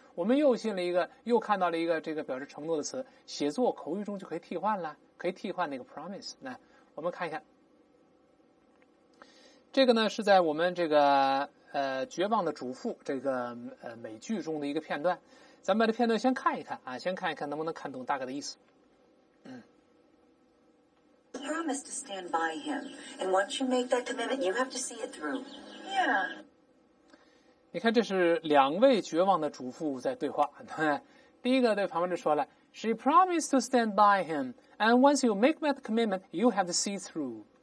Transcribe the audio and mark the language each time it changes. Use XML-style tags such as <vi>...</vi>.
<zh>我们又进了一个，又看到了一个这个表示承诺的词，写作口语中就可以替换了，可以替换那个 promise。来，我们看一看，这个呢是在我们这个绝望的主妇这个美剧中的一个片段。咱们把这片段先看一看啊，先看一看能不能看懂大概的意思。</zh> <en>He promised to stand by him, and once you make that commitment, you have to see it through. Yeah.</en> <zh>你看，这是两位绝望的主妇在对话。第一个对旁边就说了</zh> <en>：“She promised to stand by him, and once you make that commitment, you have to see through.”</en>